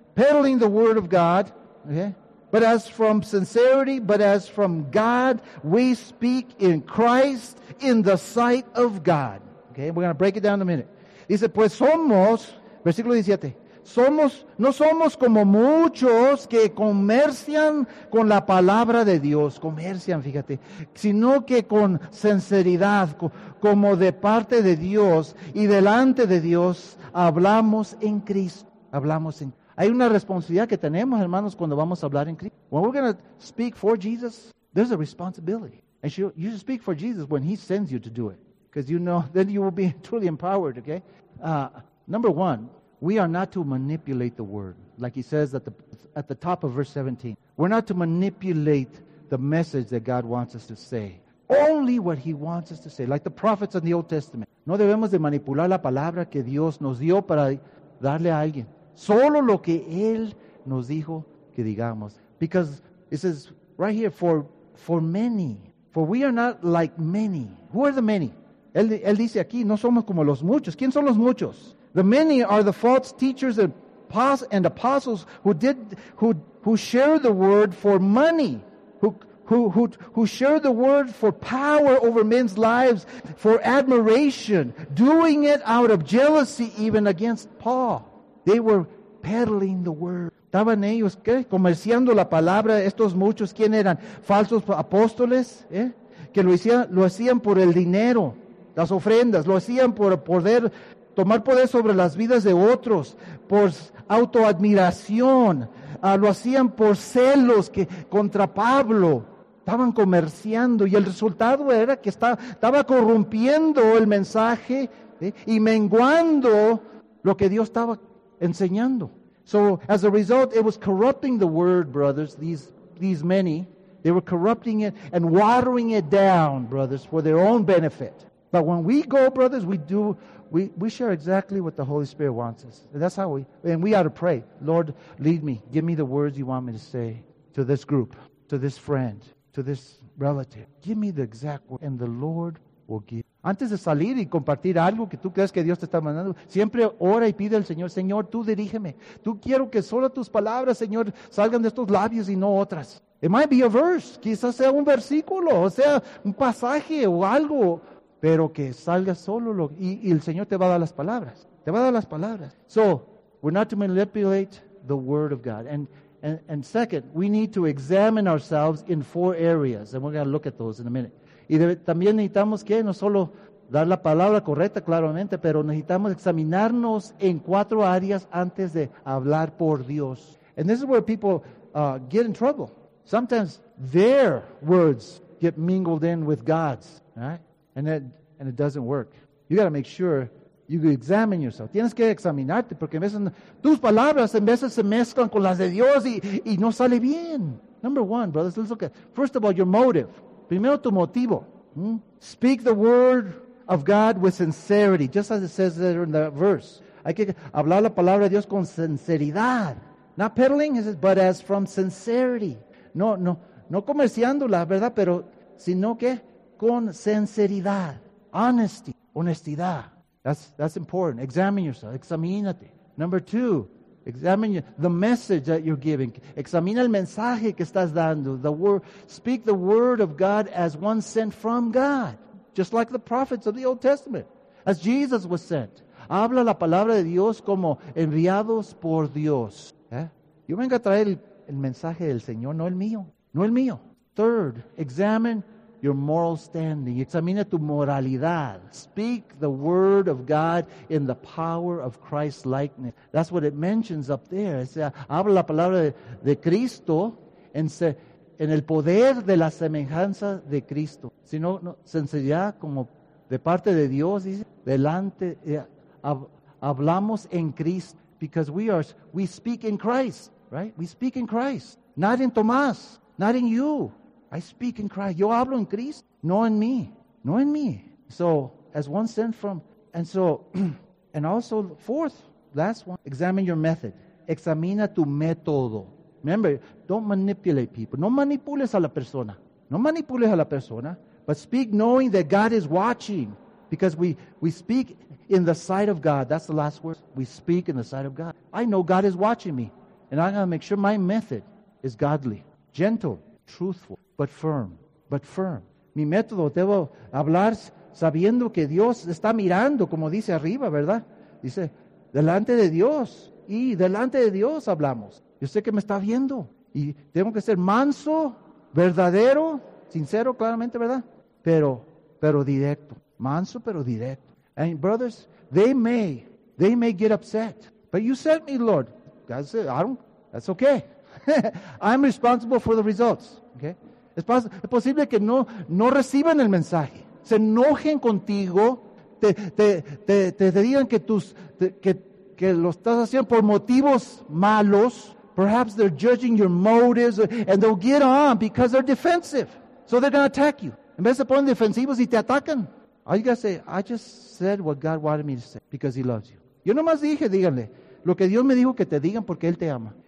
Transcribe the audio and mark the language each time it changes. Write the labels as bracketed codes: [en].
[en] peddling the word of God. Okay? But as from sincerity, but as from God, we speak in Christ in the sight of God. Okay, we're going to break it down in a minute. [es] Dice, pues somos, versículo 17, somos, no somos como muchos que comercian con la palabra de Dios, comercian, fíjate, sino que con sinceridad, como de parte de Dios y delante de Dios, hablamos en Cristo, hablamos en Cristo. Hay una responsabilidad que tenemos, hermanos, cuando vamos a hablar en Cristo. [en] When we're going to speak for Jesus, there's a responsibility. And you should speak for Jesus when he sends you to do it. Because you know, then you will be truly empowered, okay? Number one, we are not to manipulate the word. Like he says at the top of verse 17. We're not to manipulate the message that God wants us to say. Only what he wants us to say. Like the prophets in the Old Testament. [es] No debemos de manipular la palabra que Dios nos dio para darle a alguien. Solo lo que él nos dijo que digamos. [en] Because it says right here, for many. For we are not like many. Who are the many? [es] Él dice aquí, no somos como los muchos. ¿Quién son los muchos? [en] The many are the false teachers and apostles who share the word for money. Who share the word for power over men's lives, for admiration. Doing it out of jealousy even against Paul. They were peddling the word. [es] Estaban ellos, ¿qué? Comerciando la palabra. Estos muchos, ¿quién eran? Falsos apóstoles, ¿eh? Que lo hacían por el dinero, las ofrendas. Lo hacían por poder, tomar poder sobre las vidas de otros, por autoadmiración. Lo hacían por celos que contra Pablo. Estaban comerciando y el resultado era que estaba corrompiendo el mensaje, ¿eh? Y menguando lo que Dios estaba enseñando. [en] So as a result, it was corrupting the word, brothers, these many. They were corrupting it and watering it down, brothers, for their own benefit. But when we go, brothers, we share exactly what the Holy Spirit wants us. And that's how we ought to pray. Lord, lead me. Give me the words you want me to say to this group, to this friend, to this relative. Give me the exact word, and the Lord will give. [es] Antes de salir y compartir algo que tú crees que Dios te está mandando, siempre ora y pide al Señor, Señor, tú dirígeme. Tú quiero que solo tus palabras, Señor, salgan de estos labios y no otras. [en] It might be a verse, [es] quizás sea un versículo, o sea, un pasaje o algo, pero que salga solo lo y el Señor te va a dar las palabras. Te va a dar las palabras. [en] So, we're not to manipulate the word of God. And second, we need to examine ourselves in four areas. And we're going to look at those in a minute. [es] Y también necesitamos que no solo dar la palabra correcta, claramente, pero necesitamos examinarnos en cuatro áreas antes de hablar por Dios. [en] And this is where people get in trouble. Sometimes their words get mingled in with God's, right? And it doesn't work. You got to make sure you examine yourself. [es] Tienes que examinarte porque a veces tus palabras en veces se mezclan con las de Dios y no sale bien. [en] Number one, brothers, let's look at, first of all, your motive. [es] Primero tu motivo. [en] Speak the word of God with sincerity, just as it says there in the verse. [es] Hay que hablar la palabra de Dios con sinceridad. [en] Not peddling, it says, but as from sincerity. [es] No comerciándola, ¿verdad? Pero, sino que con sinceridad. [en] Honesty, honestidad. That's important. Examine yourself. [es] Examínate. [en] Number two, examine the message that you're giving. [es] Examina el mensaje que estás dando. [en] The word, speak the word of God as one sent from God. Just like the prophets of the Old Testament. As Jesus was sent. [es] Habla la palabra de Dios como enviados por Dios. ¿Eh? Yo vengo a traer el mensaje del Señor, no el mío. No el mío. [en] Third, examine your moral standing. [es] Examina tu moralidad. [en] Speak the word of God in the power of Christ's likeness. That's what it mentions up there. [es] O sea, habla la palabra de Cristo en el poder de la semejanza de Cristo. Si no, no sinceridad como de parte de Dios, dice, delante, hablamos en Cristo. [en] Because we speak in Christ, right? We speak in Christ. Not in Tomás, not in you. I speak in Christ. [es] Yo hablo en Cristo, no en mí. No en mí. [en] So, as one sent from, and so, and also, fourth, last one, examine your method. [es] Examina tu método. [en] Remember, don't manipulate people. [es] No manipules a la persona. No manipules a la persona. [en] But speak knowing that God is watching. Because we speak in the sight of God. That's the last word. We speak in the sight of God. I know God is watching me. And I got to make sure my method is godly, gentle, truthful, but firm, but firm. [es] Mi método debo hablar sabiendo que Dios está mirando, como dice arriba, ¿verdad? Dice, delante de Dios, y delante de Dios hablamos. Yo sé que me está viendo, y tengo que ser manso, verdadero, sincero, claramente, ¿verdad? Pero directo, manso, pero directo. [en] And brothers, they may get upset, but you sent me, Lord. That's it, that's okay. I'm responsible for the results, okay? [es] Es posible que no reciban el mensaje, se enojen contigo, te digan que lo estás haciendo por motivos malos. [en] Perhaps they're judging your motives, and they'll get on because they're defensive. So they're going to attack you. [es] En vez de poner defensivos y te atacan. [en] All you got to say, I just said what God wanted me to say because he loves you. [es] Yo nomás dije, díganle, lo que Dios me dijo que te digan porque él te ama.